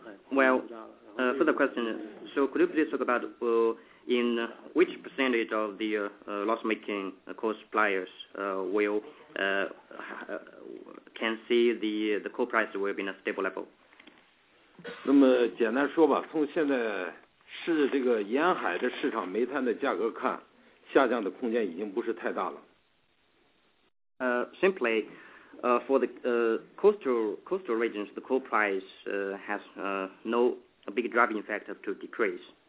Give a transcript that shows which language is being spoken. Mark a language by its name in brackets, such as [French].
[English] Well, for the question, so could you please talk about in which percentage of the loss-making coal suppliers can see the coal price will be in a stable level? [Chinese] 那么简单说吧，从现在是这个沿海的市场煤炭的价格看，下降的空间已经不是太大了。 [English] Simply, for the coastal regions, the coal price has no a big driving factor to decrease.